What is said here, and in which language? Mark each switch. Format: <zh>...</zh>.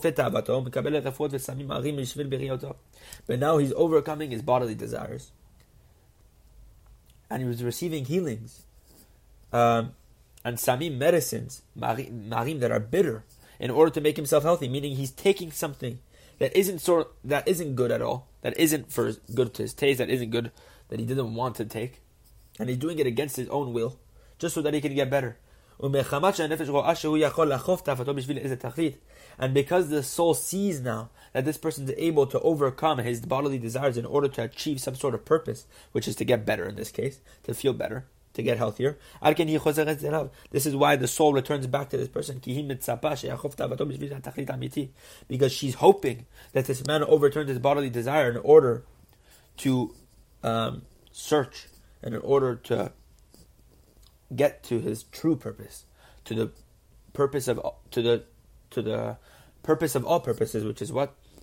<en>But now he's overcoming his bodily desires, and he was receiving healings and samim, medicines, marim, that are bitter, in order to make himself healthy, meaning he's taking something that isn't good at all, that isn't for good to his taste, that isn't good, that he didn't want to take, and he's doing it against his own will, just so that he can get better.</en> <he>ומחמת שהנפש רואה שהוא יכול לחוף תאוותו בשביל איזה תכלית.</he> <en>And because the soul sees now that this person is able to overcome his bodily desires in order to achieve some sort of purpose, which is to get better in this case, to feel better, to get healthier. This is why the soul returns back to this person. Because she's hoping that this man overturns his bodily desire in order to search and in order to get to his true purpose, to the purpose of all purposes, which is what?</en>